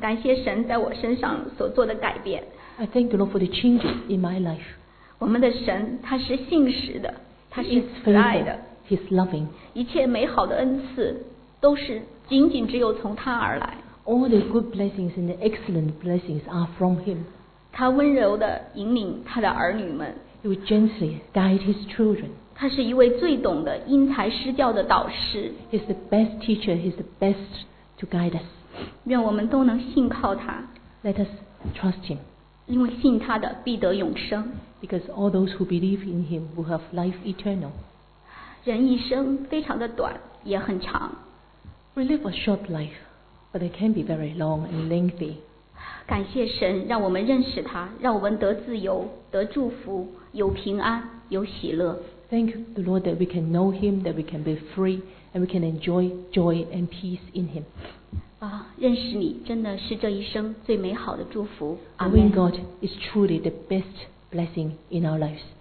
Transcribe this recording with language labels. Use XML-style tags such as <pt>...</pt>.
<zh>感谢神在我身上所做的改变。</zh> <en>I thank the Lord for the changes in my life.</en> <zh>我们的神他是信实的，他是慈爱的。</zh> <en>He is faithful. He's loving.</en> <zh>一切美好的恩赐都是仅仅只有从他而来。</zh> <en>All the good blessings and the excellent blessings are from him.</en> <zh>他温柔地引领他的儿女们。</zh> <en>He will gently guide his children.</en> <zh>他是一位最懂得因材施教的导师。</zh> <en>He's the best teacher. He's the best to guide us.</en> <zh>愿我们都能信靠他。</zh> <en>Let us trust him.</en> <zh>因为信他的必得永生。</zh> <en>Because all those who believe in him will have life eternal.</en> <zh>人一生非常的短，也很长。</zh> <en>We live a short life, but it can be very long and lengthy.</en> <zh>感谢神，让我们认识他，让我们得自由，得祝福，有平安，有喜乐。</zh> <en>Thank the Lord that we can know him, that we can be free, and we can enjoy joy and peace in him.</en> <zh>认识你真的是这一生最美好的祝福。</zh> <en>Amen. Knowing God is truly the best blessing in our lives.</en>